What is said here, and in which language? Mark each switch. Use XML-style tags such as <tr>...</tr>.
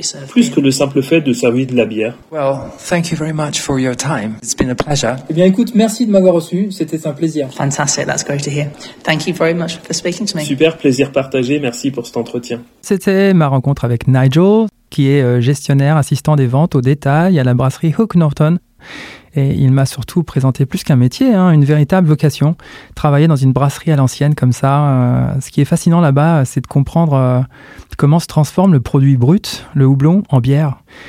<fr>Plus que le simple fait de servir de la bière.</fr> <en>Well, thank you very much for your time. It's been a pleasure.</en> <fr>Eh bien, écoute, merci de m'avoir reçu. C'était un plaisir.</fr> <en>Fantastic, that's great to hear. Thank you very much for speaking to me.</en> <fr>Super, plaisir partagé. Merci pour cet entretien. C'était ma rencontre avec Nigel, qui est gestionnaire assistant des ventes au détail à la brasserie Hook Norton. Et il m'a surtout présenté plus qu'un métier, hein, une véritable vocation, travailler dans une brasserie à l'ancienne comme ça. Ce qui est fascinant là-bas, c'est de comprendre comment se transforme le produit brut, le houblon, en bière.</fr>